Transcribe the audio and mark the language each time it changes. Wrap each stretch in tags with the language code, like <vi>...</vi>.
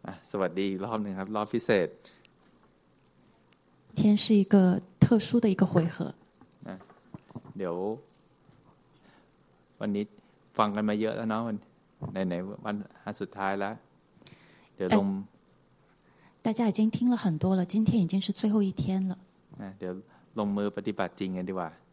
<th>สวัสดีอีกรอบนึงครับรอบพิเศษ</th> <zh>今天是一个特殊的一个回合</zh> <th>เดี๋ยววันนี้ฟังกันมาเยอะแล้วเนาะไหนวันสุดท้ายแล้วเดี๋ยวลง</th> <zh>大家已经听了很多了今天已经是最后一天了</zh> <th>เดี๋ยวลงมือปฏิบัติจริงกันดีกว่า</th>